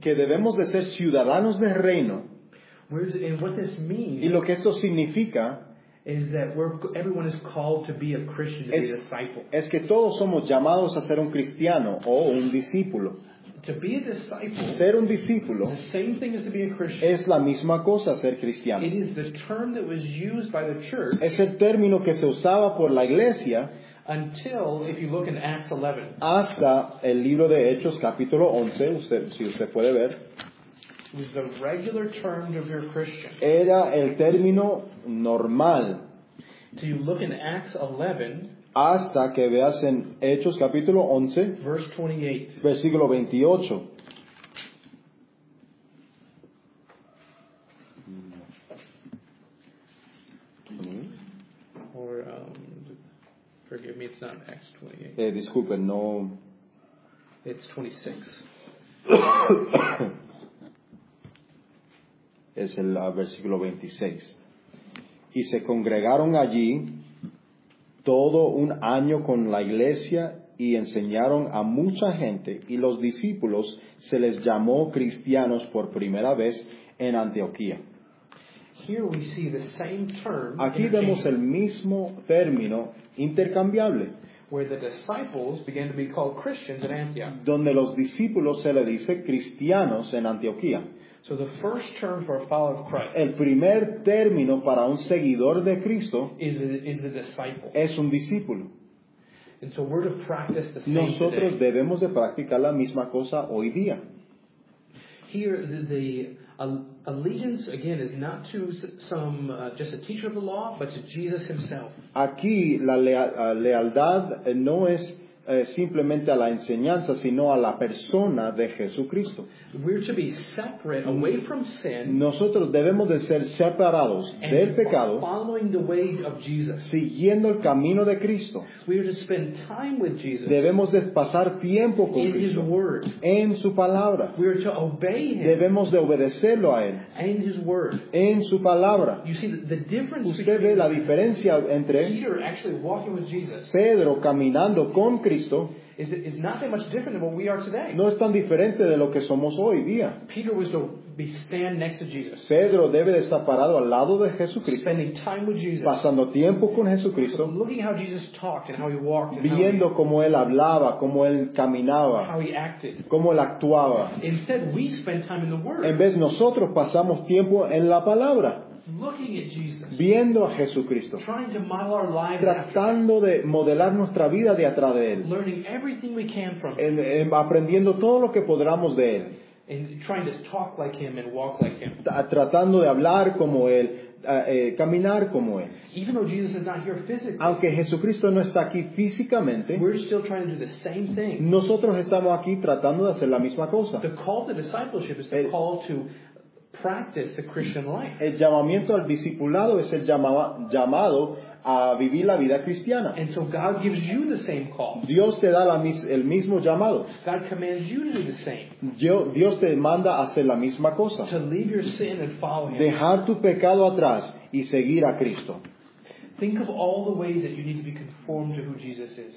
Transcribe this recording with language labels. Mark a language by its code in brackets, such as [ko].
[es] Que debemos de ser ciudadanos del reino. [en] And what this means. [es] Y lo que esto significa. [en] Is that everyone is called to be a Christian, to be a disciple. [es] Es que todos somos llamados a ser un cristiano o un discípulo. [en] To be a disciple, [es] ser un discípulo, [en] the same thing as to be a Christian. [es] Es la misma cosa ser cristiano. [en] It is the term that was used by the church. [es] Es el término que se usaba por la iglesia. [en] Until, if you look in Acts 11. [es] Hasta el libro de Hechos capítulo 11, si usted puede ver. [en] Was the regular term to be a Christian. [es] Era el término normal. [en] Do you look in Acts 11? [es] Hasta que veas en Hechos capítulo 11, [en] verse 28. [es] Versículo 28. [en] Or, forgive me, it's not Acts 28. [es] Disculpe, no. [en] It's 26. [es] Es el versículo 26. Y se congregaron allí todo un año con la iglesia y enseñaron a mucha gente, y los discípulos se les llamó cristianos por primera vez en Antioquía. [en] Here we see the same term. [es] Aquí vemos el mismo término intercambiable. [en] Where the disciples began to be called Christians in Antioch. [es] Donde los discípulos se les dice cristianos en Antioquía. [en] So the first term for a follower of Christ. [es] El primer término para un seguidor de Cristo [en] is the disciple. [es] Es un discípulo. [en] And so we're to practice the same. [es] Nosotros [en] today. [es] Debemos de practicar la misma cosa hoy día. [en] Here the allegiance again is not to some just a teacher of the law, but to Jesus himself. [es] Aquí la lealtad no es simplemente a la enseñanza, sino a la persona de Jesucristo. [en] We're to be separate away from sin. [es] Nosotros debemos de ser separados del pecado, [en] following the way of Jesus. [es] Siguiendo el camino de Cristo. [en] We're to spend time with Jesus. [es] Debemos de pasar tiempo con [en] in [es] Cristo. [en] His word. [es] En su palabra. [en] We're to obey him. [es] Debemos de obedecerlo a él. [en] And his word. [es] En su palabra. [en] You see the difference. [es] Usted ve la diferencia entre [en] Peter actually walking with Jesus. [es] Pedro caminando con Cristo. [en] Is not that much different than what we are today. [es] No es tan diferente de lo que somos hoy día. [en] Peter was to be stand next to Jesus. [es] Pedro debe de estar parado al lado de Jesucristo. [en] Spending time with Jesus. [es] Pasando tiempo con Jesucristo. [en] So looking how Jesus talked and how he walked. [es] Viendo cómo él hablaba, cómo él caminaba. [en] How he acted. [es] Cómo él actuaba. [en] Instead, we spend time in the Word. [es] En vez nosotros pasamos tiempo en la palabra. [en] Looking at Jesus, [es] viendo a Jesucristo, [en] trying to model our lives, [es] tratando [en] after [es] de modelar nuestra vida de atrás de él, [en] learning everything we can from him, [es] aprendiendo todo lo que podamos de él, [en] and trying to talk like him and walk like him, [es] tratando de hablar como él, caminar como él. [en] Even though Jesus is not here physically, [es] aunque Jesucristo no está aquí físicamente, [en] we're still trying to do the same thing. [es] Nosotros estamos aquí tratando de hacer la misma cosa. [en] The call to discipleship is the call to practice the Christian life. [es] El llamamiento al discipulado es el llamado a vivir la vida cristiana. [en] And so God gives you the same call. [es] Dios te da el mismo llamado. [en] God commands you to do the same. [es] Dios te manda a hacer la misma cosa. [en] To leave your sin and follow him. [es] Dejar tu pecado atrás y seguir a Cristo. [en] Think of all the ways that you need to be conformed to who Jesus is.